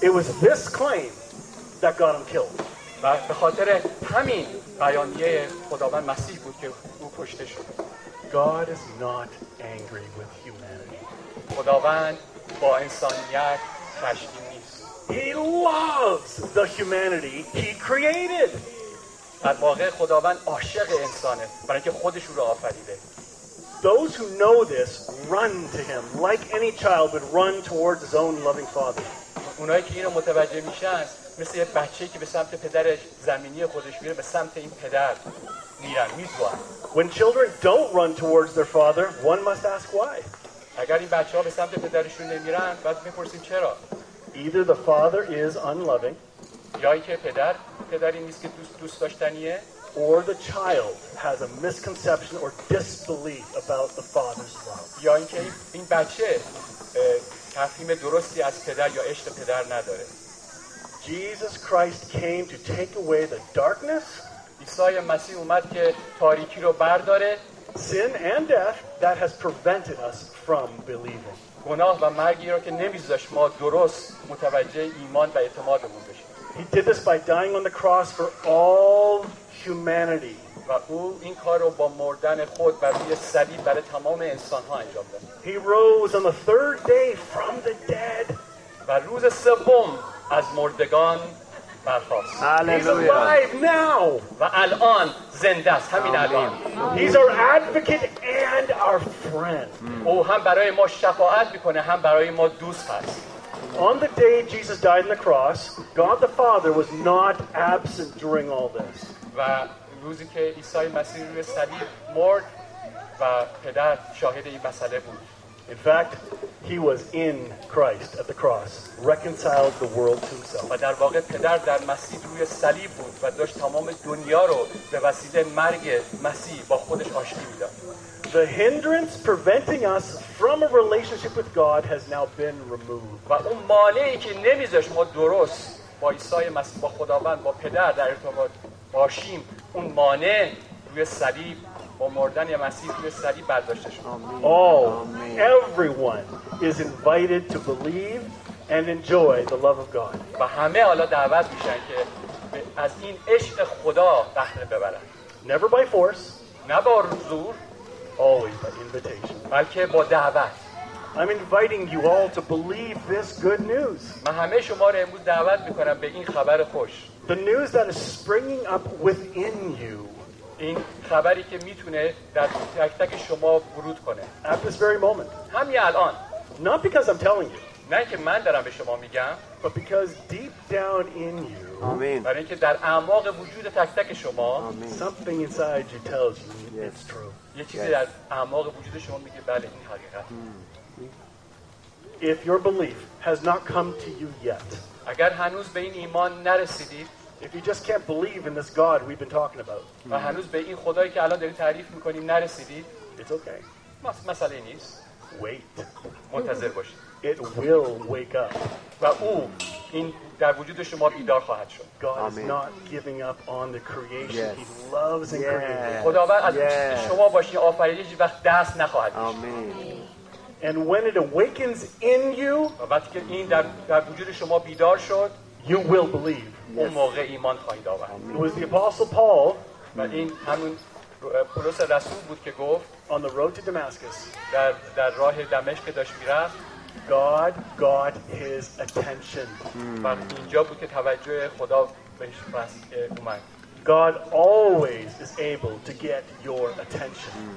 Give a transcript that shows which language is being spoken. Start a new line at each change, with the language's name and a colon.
English: It was this claim that got him killed.
Persian: و به خاطر همین بیانیه خداوند مسیح بود که او کشته شد.
English: God is not angry with humanity.
Persian: خداوند با انسانیت خشمگین نیست.
English: He loves the humanity he created.
Persian: در واقع خداوند عاشق انسانه برای اینکه خودش او را آفریده.
English: Those who know this run to him like any child would run towards his own loving father.
Persian: اونایی که اینو متوجه میشن مثل یه بچه‌ای که به سمت پدرش زمینی خودش میره به سمت این پدر میرن میزوان.
English: When children don't run towards their father, one must ask why.
Persian: اگر این بچه‌ها به سمت پدرشون نمیرن بعد میپرسیم چرا.
English: Either the father is unloving.
Persian: یا اینکه پدر پدری نیست که دوست داشتنیه.
English: or the child has a misconception or disbelief about the father's love.
Persian: یا اینکه این بچه تفهیم درستی از پدر یا عشق پدر نداره.
English: Jesus Christ came to take away the darkness.
Persian: عیسی مسیح اومد که تاریکی رو برداره.
English: Sin and death that has prevented us from believing.
Persian: گناه و مرگی رو که نمیذاش ما درست متوجه ایمان و اعتمادمون بشیم.
English: He did this by dying on the cross for all humanity.
Persian: و او این کار رو با مردن خود بر روی صلیب برای تمام انسان‌ها انجام داد.
English: He rose on the third day from the dead.
Persian: و روز سوم از مردگان برخاست.
English: Hallelujah. He's alive now.
Persian: و الان زنده است. همین الان.
English: He's our advocate and our friend.
Persian: او هم برای ما شفاعت می‌کنه هم برای ما دوست هست.
English: On the day Jesus died on the cross, God the Father was not absent during all this.
Persian: و روزی که عیسی مسیح روی صلیب مرد و پدر شاهد این مسئله بود.
English: In fact, he was in Christ at the cross, reconciled the world to himself.
Persian: و در واقع پدر در مسیح روی صلیب بود و داشت تمام دنیا رو به وسیله مرگ مسیح با خودش آشتی می‌داد.
English: The hindrance preventing us from a relationship with God has now been removed.
Persian: و اون مانعی که نمیذاشت ما درست با عیسی مسیح با خداوند با پدر در ارتباط باشیم اون مانع روی صلیب با مردن مسیح روی صلیب برداشته شد.
English: آمین. All Amen. Everyone is invited to believe and enjoy the love of God.
Persian: و همه حالا دعوت میشن که از این عشق خدا بهره ببرن.
English: Never by force.
Persian: نه با زور.
English: Always by invitation.
Persian: بلکه با دعوت.
English: I'm inviting you all to believe this good news.
Persian: من همه شما رو امروز دعوت میکنم به این خبر خوش.
English: The news that is springing up within you.
Persian: این خبری که میتونه در تک تک شما ورود کنه.
English: At this very moment.
Persian: همین الان.
English: Not because I'm telling you.
Persian: نه که من دارم به شما میگم.
English: But because deep down in you.
Persian: آمین. برای اینکه در اعماق وجود تک تک شما. آمین.
English: Something inside you tells you it's true.
Persian: یه چیزی yes. در اعماق وجود شما میگه بله این حقیقت.
English: If your belief has not come to you yet.
Persian: اگر هنوز به این ایمان نرسیدید.
English: If you just can't believe in this God we've been talking about.
Persian: و هنوز به این خدایی که الان داریم تعریف میکنیم نرسیدید.
English: It's okay.
Persian: مسئله نیست.
English: Wait.
Persian: منتظر باشید.
English: It will wake up.
Persian: و او این در وجود شما بیدار خواهد شد.
English: God Amen. Is not giving up on the creation. Yes. He loves and created.
Persian: خداوند از شما باشی آفریدش وقت دست نخواهد داشت.
English: Amen. And when it awakens in you,
Persian: وقتی که این در وجود شما بیدار شد,
English: you will believe.
Persian: اون موقع ایمان خواهید آورد.
English: It was the Apostle Paul,
Persian: و این همون پولس رسول بود که گفت,
English: on the road to Damascus,
Persian: در راه دمشق داشت میرفت,
English: God got his attention.
Persian: و اینجا بود که توجه خدا بهش اومد.
English: God always is able to get your attention.